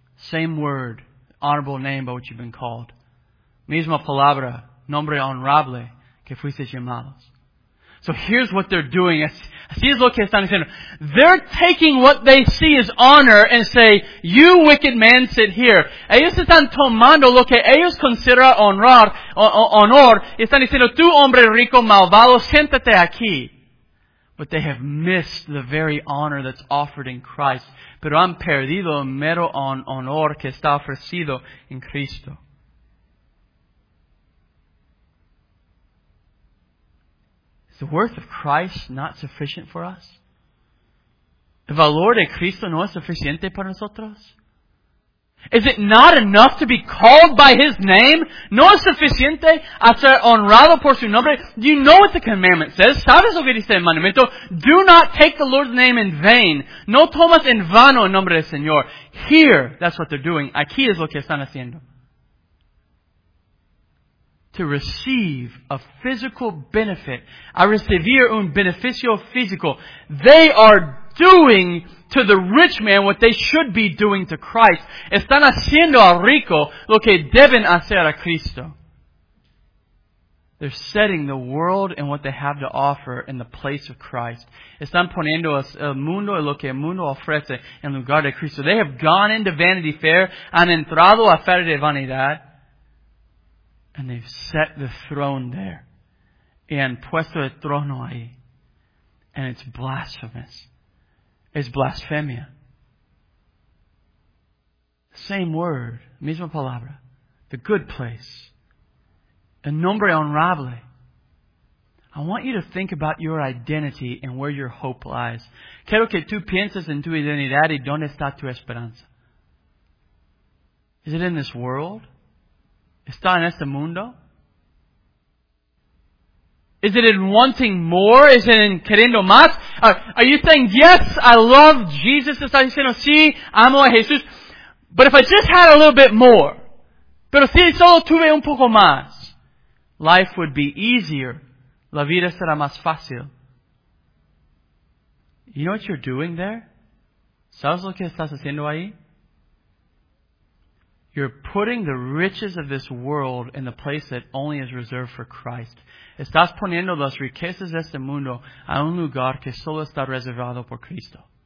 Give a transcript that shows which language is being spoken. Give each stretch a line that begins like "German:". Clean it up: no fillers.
English: Same word, honorable name by which you've been called.
Spanish: Misma palabra, nombre honorable, que fuiste llamados.
English: So here's what they're doing.
Spanish: Así es lo que están diciendo.
English: They're taking what they see as honor and say, you wicked man, sit here.
Spanish: Ellos están tomando lo que ellos consideran honrar, honor, y están diciendo, tú hombre rico, malvado, siéntate aquí.
English: But they have missed the very honor that's offered in Christ.
Spanish: Pero han perdido el mero honor que está ofrecido en Cristo.
English: Is the worth of Christ not sufficient for us?
Spanish: ¿El valor de Cristo no es suficiente para nosotros?
English: Is it not enough to be called by His name?
Spanish: ¿No es suficiente a ser honrado por su nombre?
English: Do you know what the commandment says?
Spanish: ¿Sabes lo que dice el mandamiento?
English: Do not take the Lord's name in vain.
Spanish: No tomas en vano el nombre del Señor.
English: Here, that's what they're doing.
Spanish: Aquí es lo que están haciendo.
English: To receive a physical benefit.
Spanish: A recibir un beneficio físico.
English: They are doing to the rich man what they should be doing to Christ.
Spanish: Están haciendo al rico lo que deben hacer a Cristo.
English: They're setting the world and what they have to offer in the place of Christ.
Spanish: Están poniendo el mundo y lo que el mundo ofrece en lugar de Cristo.
English: They have gone into Vanity Fair,
Spanish: han entrado a Feria de Vanidad,
English: and they've set the throne there.
Spanish: Y han puesto el trono ahí.
English: And it's blasphemous. Is blasphemia. Same word,
Spanish: misma palabra.
English: The good place.
Spanish: El nombre honorable.
English: I want you to think about your identity and where your hope lies.
Spanish: Quiero que tú pienses en tu identidad y dónde está tu esperanza.
English: Is it in this world?
Spanish: ¿Está en este mundo?
English: Is it in wanting more? Is it in
Spanish: queriendo más?
English: Are you saying, yes, I love Jesus?
Spanish: Estás diciendo, sí, amo a Jesús.
English: But if I just had a little bit more,
Spanish: pero si solo tuve un poco más,
English: life would be easier.
Spanish: La vida será más fácil.
English: You know what you're doing there?
Spanish: ¿Sabes lo que estás haciendo ahí?
English: You're putting the riches of this world in the place that only is reserved for Christ.
Spanish: Estás poniendo las riquezas de este mundo a un lugar que solo está reservado por Cristo.